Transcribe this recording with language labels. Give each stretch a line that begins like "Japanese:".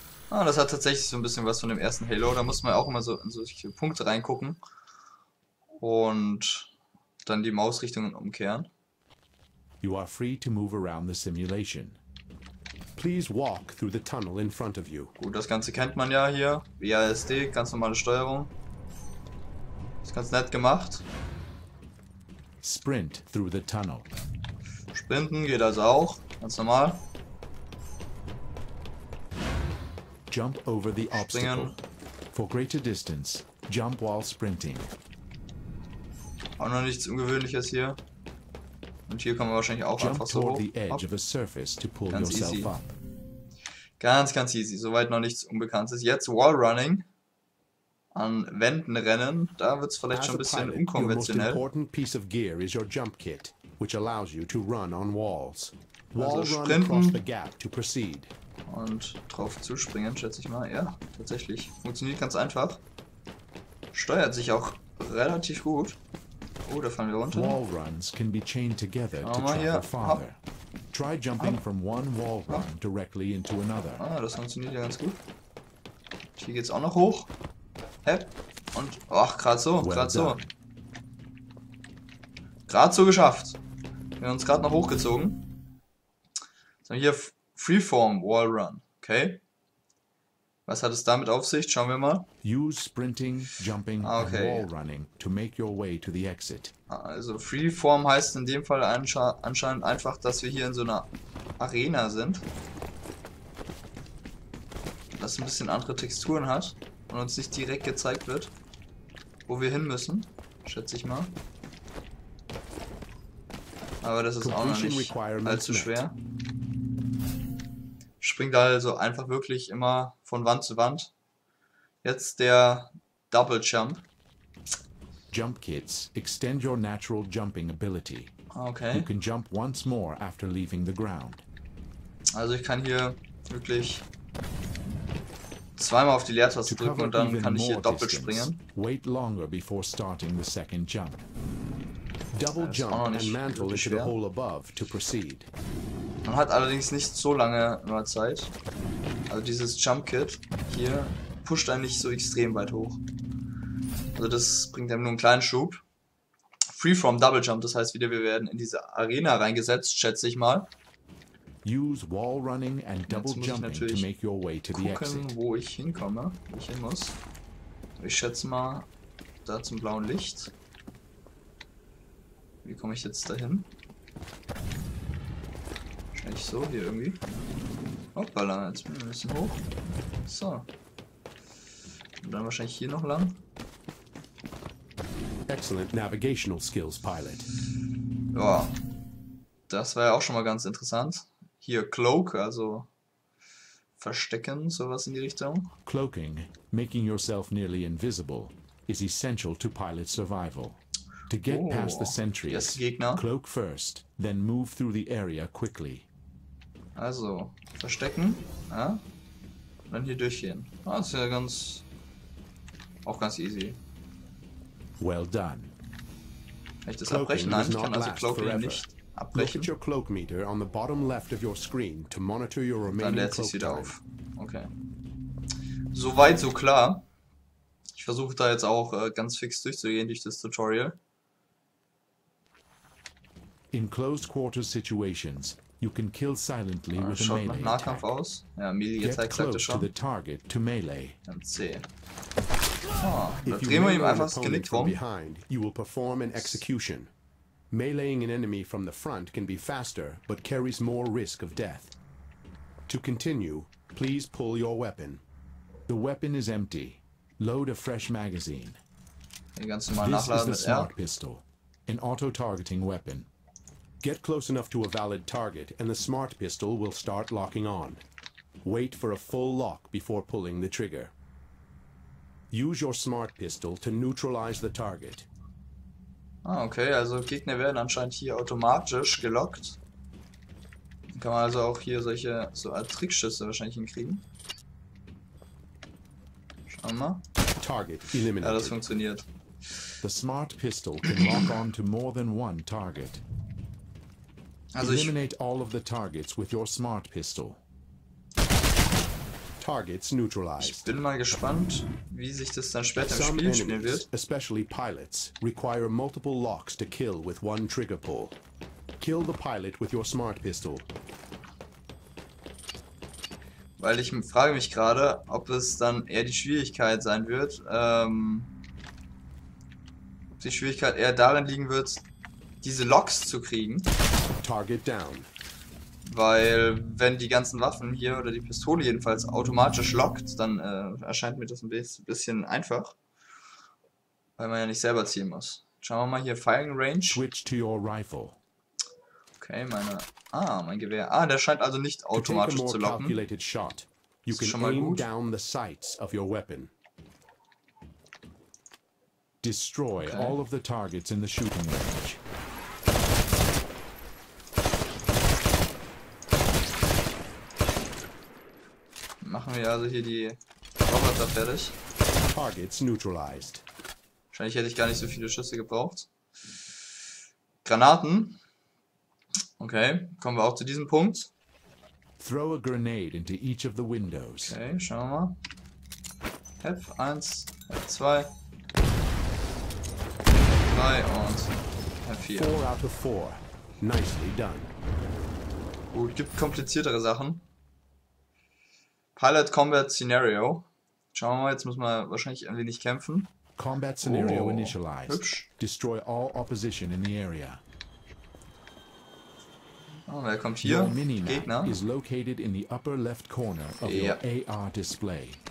German: Ah, das hat tatsächlich so ein bisschen was von dem ersten Halo. Da muss man ja auch immer so in solche Punkte reingucken. Und dann die Mausrichtungen umkehren.
English: You are free to move around the simulation. Please walk through the tunnel in front of you.
German: Gut, das Ganze kennt man ja hier. WASD, ganz normale Steuerung. Ist ganz nett gemacht.
English: Sprint through the tunnel.
German: Sprinten geht also auch, ganz normal.
English: Jump over the obstacle. For greater distance, jump while sprinting.
German: Auch noch nichts Ungewöhnliches hier. Und hier kann man wahrscheinlich auch einfach so hoch. Hopp. Ganz easy. Ganz, ganz easy. Soweit noch nichts Unbekanntes. Jetzt Wallrunning. An Wänden rennen. Da wird es vielleicht schon ein bisschen unkonventionell. Also sprinten. Und drauf zu springen, schätze ich mal. Ja, tatsächlich. Funktioniert ganz einfach. Steuert sich auch relativ gut. Oh, da fallen wir runter.
English: Wall runs can be chained together to track your father. Try jumping from one wall run directly into another.
German: Ah, das funktioniert ja ganz gut. Hier geht's auch noch hoch. Hep. Und ach, gerade so geschafft. Wir haben uns gerade noch hochgezogen. Jetzt haben wir hier Freeform Wall Run, okay? Was hat es damit auf sich? Schauen wir mal.
English: Use sprinting, jumping, okay. And wall running to make your way to the exit.
German: Also Freeform heißt in dem Fall anscheinend einfach, dass wir hier in so einer Arena sind. Das ein bisschen andere Texturen hat und uns nicht direkt gezeigt wird, wo wir hin müssen, schätze ich mal. Aber das ist auch noch nicht allzu schwer. Springt also einfach wirklich immer von Wand zu Wand. Jetzt der Double Jump.
English: Jump kits extend your natural jumping ability. Okay. You can jump once more after leaving the ground.
German: Also ich kann hier wirklich zweimal auf die Leertaste drücken und dann kann ich hier doppelt springen.
English: Wait longer before starting the second jump. Double jump and mantle into the hole above to proceed.
German: Man hat allerdings nicht so lange mal Zeit. Also dieses Jump Kit hier pusht einen nicht so extrem weit hoch. Also das bringt einem nur einen kleinen Schub. Free from Double Jump, das heißt wieder, wir werden in diese Arena reingesetzt, schätze ich mal.
English: Use wall running and double jumping to make your way to the exit.
German: Wo ich hinkomme, wo ich hin muss. Ich schätze mal da zum blauen Licht. Wie komme ich jetzt dahin? Wahrscheinlich so hier irgendwie. Hoppala, jetzt bin ich ein bisschen hoch. So. Und dann wahrscheinlich hier noch lang.
English: Excellent navigational skills, Pilot.
German: Ja. Das war ja auch schon mal ganz interessant. Hier Cloak, also verstecken, sowas in die Richtung.
English: Cloaking, making yourself nearly invisible, is essential to pilot survival. To get past the sentries, cloak first, then move through the area quickly.
German: Also, verstecken, ja? Und dann hier durchgehen. Ah, ist ja ganz. Auch ganz easy.
English: Well done.
German: Kann ich das abbrechen? Nein, ich kann also Cloaking nicht. Abbrechen.
English: Look at your cloak meter on the bottom left of your screen to monitor your remaining cloak time.
German: Dann lädt sich's wieder auf. Okay. Soweit so klar. Ich versuche da jetzt auch ganz fix durchzugehen durch das Tutorial.
English: In closed quarters situations, you can kill silently with a melee attack.
German: Schaut nach Nahkampf aus. Ja, melee attack sagt er schon.
English: Get close to the target to melee. C.
German: Da drehen wir ihm einfach das Genick rum.
English: Behind, you will perform an execution. Meleeing an enemy from the front can be faster, but carries more risk of death. To continue, please pull your weapon. The weapon is empty. Load a fresh magazine. This is the smart pistol, an auto-targeting weapon. Get close enough to a valid target, and the smart pistol will start locking on. Wait for a full lock before pulling the trigger. Use your smart pistol to neutralize the target.
German: Ah, okay, also Gegner werden anscheinend hier automatisch gelockt. Dann kann man also auch hier solche so Art Trickschüsse wahrscheinlich hinkriegen. Schauen wir mal.
English: Target eliminated.
German: Ja, das funktioniert.
English: The smart pistol can lock on to more than one target. Also eliminate all of the targets with your smart pistol. Targets neutralized.
German: Ich bin mal gespannt, wie sich das dann später im Spiel spielen wird.
English: Especially pilots require multiple locks to kill with one trigger pull. Kill the pilot with your smart pistol.
German: Weil ich frage mich gerade, ob es dann eher die Schwierigkeit sein wird, ob die Schwierigkeit eher darin liegen wird, diese Locks zu kriegen.
English: Target down.
German: Weil, wenn die ganzen Waffen hier oder die Pistole jedenfalls automatisch lockt, dann erscheint mir das ein bisschen einfach. Weil man ja nicht selber zielen muss. Schauen wir mal hier, Firing Range.
English: Switch to your rifle.
German: Okay, meine. Ah, mein Gewehr. Ah, der scheint also nicht automatisch zu locken. Das ist schon mal gut.
English: Down the sights of your weapon. Destroy all of the targets in the shooting range.
German: Machen wir also hier die Roboter fertig.
English: Targets neutralized.
German: Wahrscheinlich hätte ich gar nicht so viele Schüsse gebraucht. Granaten. Okay, kommen wir auch zu diesem Punkt.
English: Throw a grenade into each of the windows.
German: Okay, schauen wir mal. Hep 1, Hep 2, 3 und Hep 4.
English: 4 out of 4. Nicely done.
German: Gut, gibt kompliziertere Sachen. Pilot Combat Scenario. Schauen wir mal, jetzt müssen wir wahrscheinlich ein wenig kämpfen.
English: Combat Scenario initialized.
German: Hübsch.
English: Destroy all opposition in the area.
German: Oh, wer kommt hier? Gegner.
English: Is located in the upper left corner of your AR display.